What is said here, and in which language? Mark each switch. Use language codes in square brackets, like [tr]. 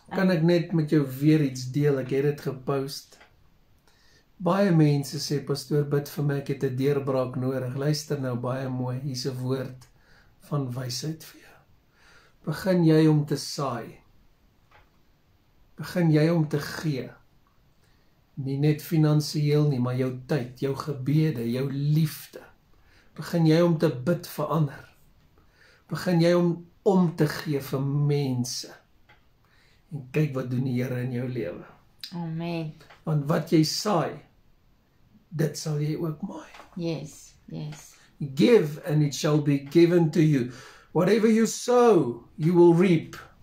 [af] Kan ek net met jou weer iets deel? Ek het dit gepost. Baie mense sê, pastoor, bid vir my, ek het 'n deurbraak nodig. Luister nou baie mooi, hier's 'n woord van wysheid vir jou. Begin jy om te saai. Begin jy om te gee. Nie net finansieel nie, maar jou tyd, jou gebede, jou liefde. Begin jy om te bid vir ander. Begin jy om te gee vir mense. En kyk wat doen die Here in jou lewe. Amen. Want wat jy saai, dit sal jy ook maai. [en] Yes, yes. Give and it shall be given to you. Whatever you sow, you will reap.